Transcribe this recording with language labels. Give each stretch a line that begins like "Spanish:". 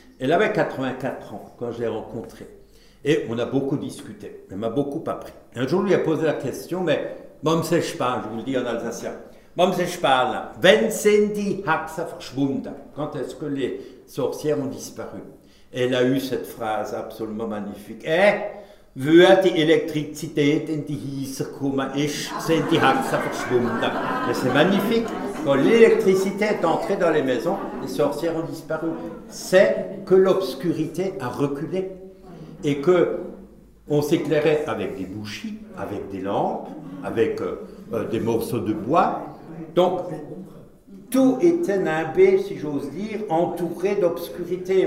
French: Elle avait 84 ans quand je l'ai rencontrée. Et on a beaucoup discuté, elle m'a beaucoup appris. Et un jour, je lui ai posé la question, mais «
Swiss German: Mom sech pas
French: », je vous le dis en alsacien, «
Swiss German: Mom sech pas, wenn sind die Hexen verschwunden ?»
French: Quand est-ce que les sorcières ont disparu ? Elle a eu cette phrase absolument magnifique. « Eh ?»
German: Würde die Elektrizität in die Häuser kommen, ist, sind die Hexen verschwunden.
French: Mais c'est magnifique. Quand l'électricité est entrée dans les maisons, les sorcières ont disparu. C'est que l'obscurité a reculé. Et que on s'éclairait avec des bougies, avec des lampes, avec des morceaux de bois. Donc, tout était nimbé, si j'ose dire, entouré d'obscurité.